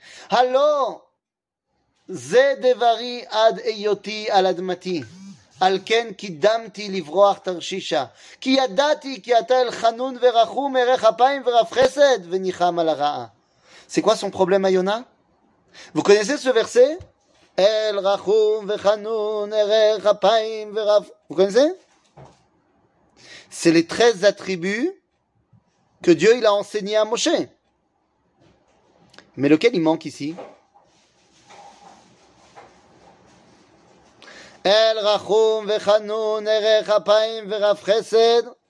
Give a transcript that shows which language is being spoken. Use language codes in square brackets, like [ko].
[he] Allô, זה דברי עד היותי על אדמתי, על כן קידמתי לברוח תרשישה, כי ידעתי כי אתה אל חנון ורחום, ערך אפיים ורב חסד, וניחם על הרעה. [fr] C'est quoi son problème à Yona? Vous connaissez ce verset? [he] אל רחום וחנון, ערך אפיים ורב... [fr] Vous connaissez? C'est les 13 attributs que Dieu il a enseigné à Moshe. Mais lequel il manque ici? [he] El rachum vechanun erech apaim veraf chesed.